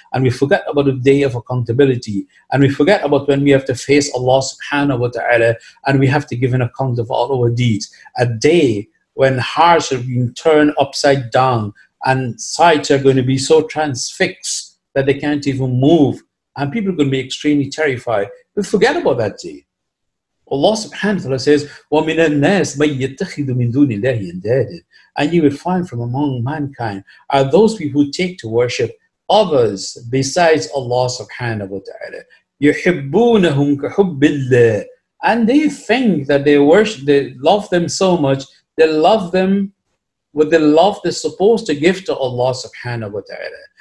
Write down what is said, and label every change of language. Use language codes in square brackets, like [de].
[en] And we forget about the day of accountability. And we forget about when we have to face Allah subhanahu wa ta'ala and we have to give an account of all our deeds. A day when hearts are being turned upside down and sights are going to be so transfixed that they can't even move. And people are going to be extremely terrified. We forget about that day. [ar] Allah subhanahu wa ta'ala says, وَمِنَ النَّاسِ مَنْ يَتَّخِذُ مِنْ دُونِ اللَّهِ أَنْدَادًا. [en] And you will find from among mankind are those people who take to worship others besides Allah subhanahu wa ta'ala. [ar] يُحِبُّونَهُمْ كَحُبِّ اللَّهِ. [en] And they think that they worship, they love them so much, they love them with the love they're supposed to give to Allah subhanahu wa ta'ala.